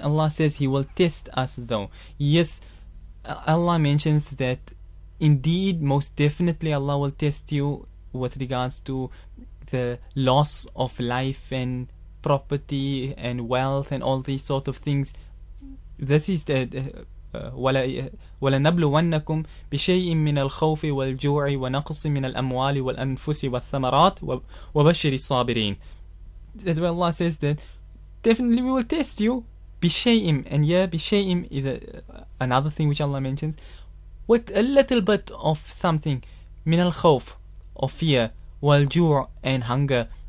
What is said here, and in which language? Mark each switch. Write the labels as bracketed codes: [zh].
[en] Allah says He will test us, though. Yes, Allah mentions that indeed, most definitely, Allah will test you with regards to the loss of life and property and wealth and all these sort of things. This is the [ar] وَلَنَبْلُوَنَّكُمْ بِشَيْءٍ مِّنَ الْخَوْفِ وَالْجُوعِ وَنَقْصٍ مِّنَ الْأَمْوَالِ وَالْأَنفُسِ وَالثَّمَرَاتِ وَبَشِّرِ الصَّابِرِينَ. [en] That's why Allah says that definitely we will test you بِشَيْءٍ, and yeah, بِشَيْءٍ is another thing which Allah mentions, with a little bit of something, [ar] مِّنَ الْخَوْفِ [en] of fear, [ar] وَالْجُوعِ [en] and hunger.